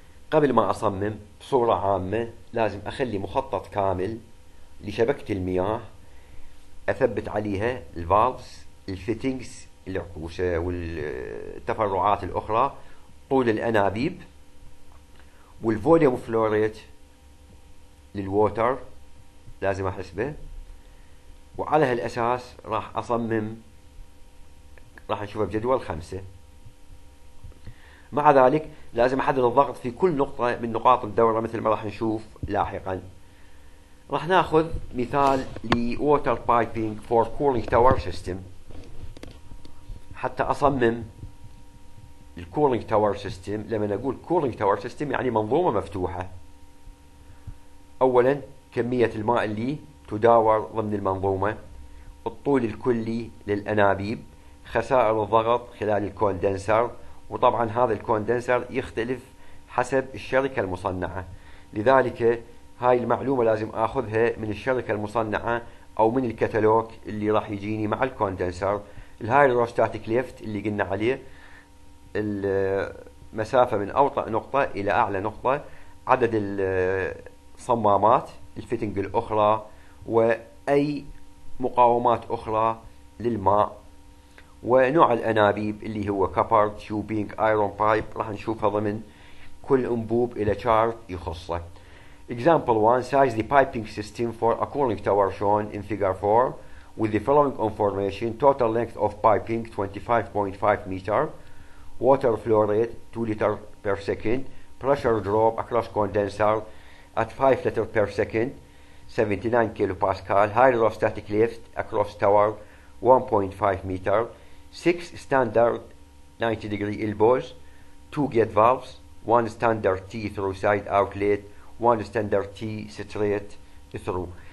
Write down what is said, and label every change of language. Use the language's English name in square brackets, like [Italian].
[Arabic] قبل ما أصمم بصورة عامة لازم أخلي مخطط كامل لشبكة المياه، أثبت عليها الفالفز، الفيتينجز، العقوسة والتفرعات الأخرى، طول الأنابيب والفوليوم فلوريت للووتر لازم أحسبه، وعلى هالأساس راح أصمم، راح نشوفه بجدول 5. مع ذلك لازم أحدد الضغط في كل نقطة من نقاط الدورة مثل ما راح نشوف لاحقا. راح نأخذ مثال لـ Water Piping for Cooling Tower System حتى أصمم الـ Cooling Tower System. لما نقول Cooling Tower System يعني منظومة مفتوحة. أولا كمية الماء اللي تداور ضمن المنظومة، الطول الكلي للأنابيب، خسائر الضغط خلال الكوندنسر، وطبعا هذا الكوندنسر يختلف حسب الشركة المصنعة، لذلك هاي المعلومة لازم أخذها من الشركة المصنعة أو من الكتالوج اللي راح يجيني مع الكوندنسر. الهايدروستاتيك ليفت اللي قلنا عليه، المسافة من أوطأ نقطة إلى أعلى نقطة، عدد الصمامات الفيتنج الأخرى، وأي مقاومات أخرى للماء، ونوع الأنابيب اللي هو كابر تيوبينج ايرون بايب، راح نشوفها ضمن كل أنبوب إلى شارت يخصه. [English] Example 1 size the piping system for a cooling tower shown in figure 4 with the following information: total length of piping 25.5 meter, water flow rate 2 liter per second, pressure drop across condenser at 5 liter per second 79 kilopascal, hydrostatic lift across tower 1.5 meter, 6 standard 90 degree elbows, 2 gate valves, 1 standard T through side outlet, 1 standard T straight through.